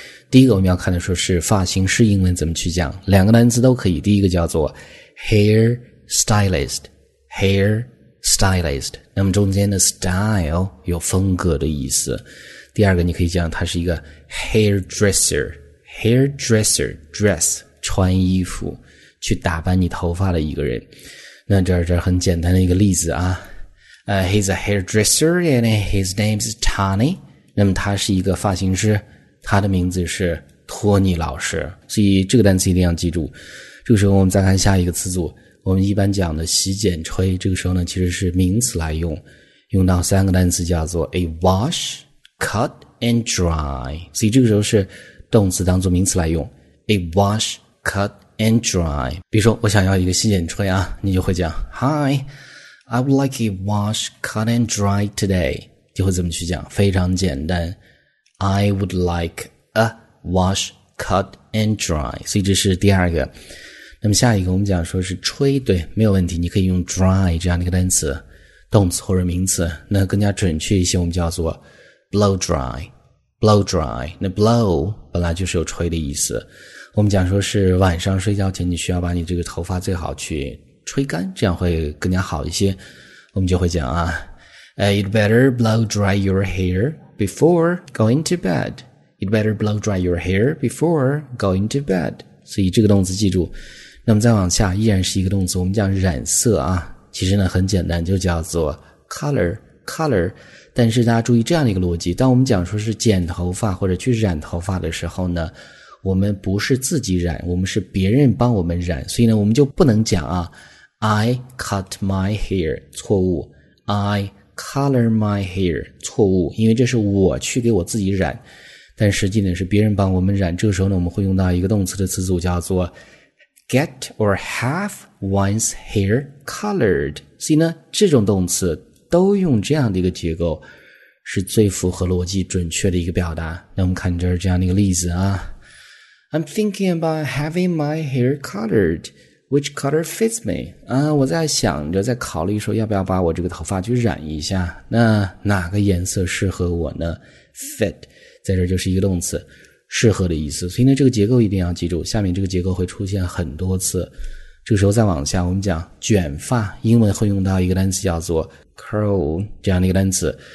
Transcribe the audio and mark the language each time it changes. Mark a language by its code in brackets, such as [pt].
[zh] 第一个我们要看的说是发型师英文怎么去讲，两个单词都可以。第一个叫做 hair stylist， hair stylist， 那么中间的 style 有风格的意思。第二个你可以讲它是一个 hair dresser。Hairdresser, dress, 穿衣服，去打扮你头发的一个人。那这很简单的一个例子啊。 [en] He's a hairdresser and his name's Tony. [zh] 那么他是一个发型师，他的名字是托尼老师。所以这个单词一定要记住。这个时候我们再看下一个词组。我们一般讲的洗剪吹，这个时候呢其实是名词来用。用到三个单词叫做 [en] a wash, cut and dry。 [zh] 所以这个时候是动词当做名词来用 ， [en] a wash, cut and dry。 [zh] 比如说，我想要一个洗剪吹啊，你就会讲 ， [en] Hi, I would like a wash, cut and dry today。 [zh] 就会这么去讲，非常简单。 [en] I would like a wash, cut and dry。 [zh] 所以这是第二个。那么下一个，我们讲说是吹，对，没有问题，你可以用 dry 这样的一个单词，动词或者名词，那更加准确一些，我们叫做 blow dry。 Blow dry， 那 blow 本来就是有吹的意思。我们讲说是晚上睡觉前，你需要把你这个头发最好去吹干，这样会更加好一些。 [en] 我们就会讲啊 ，You'd better blow dry your hair before going to bed. You'd better blow dry your hair before going to bed. [zh] 所以这个动词记住。那么再往下，依然是一个动词，我们讲染色啊，其实呢很简单，就叫做 color。 color， 但是大家注意这样的一个逻辑，当我们讲说是剪头发或者去染头发的时候呢，我们不是自己染，我们是别人帮我们染，所以呢我们就不能讲啊 [en] I cut my hair， [zh] 错误， [en] I color my hair， [zh] 错误，因为这是我去给我自己染，但实际呢是别人帮我们染。这个时候呢我们会用到一个动词的词组叫做 [en] get or have one's hair colored， [zh] 所以呢这种动词都用这样的一个结构是最符合逻辑准确的一个表达。那我们看这儿这样的一个例子啊。 [en] I'm thinking about having my hair colored, which color fits me? [zh] 我在想着在考虑说要不要把我这个头发去染一下。那哪个颜色适合我呢？fit, 在这就是一个动词，适合的意思。所以呢这个结构一定要记住，下面这个结构会出现很多次。这个时候再往下，我们讲卷发，英文会用到一个单词叫做 curl 这样的一个单词。